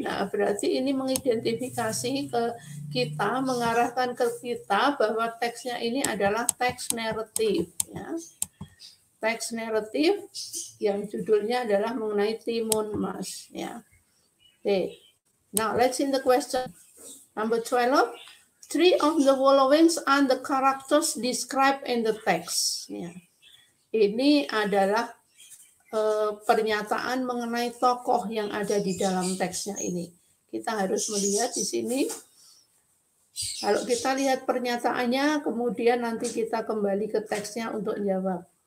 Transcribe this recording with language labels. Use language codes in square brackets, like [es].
[id] Nah, berarti ini mengidentifikasi ke kita, mengarahkan ke kita bahwa teksnya ini adalah teks naratif, ya. Teks naratif yang judulnya adalah mengenai Timun Mas, ya. [en] Oke. Okay. Now, let's see the question. Number 12. Three of the followings are the characters described in the text. [id] Ya. Ini adalah pernyataan mengenai tokoh yang ada di dalam teksnya ini. Kita harus melihat di sini. Kalau kita lihat pernyataannya, kemudian nanti kita kembali ke teksnya untuk jawab.